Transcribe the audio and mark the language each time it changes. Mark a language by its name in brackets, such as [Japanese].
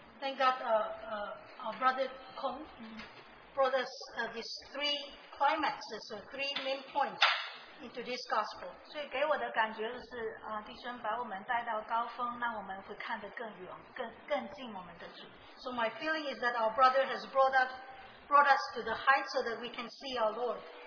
[English] Thank God, our brother Kong brought us these three climaxes, or three main points into this gospel. [Chinese] 所以给我的感觉就是，弟兄把我们带到高峰，让我们会看得更远，更近我们的主。 [English] So my feeling is that our brother has brought us to the height so that we can see our Lord.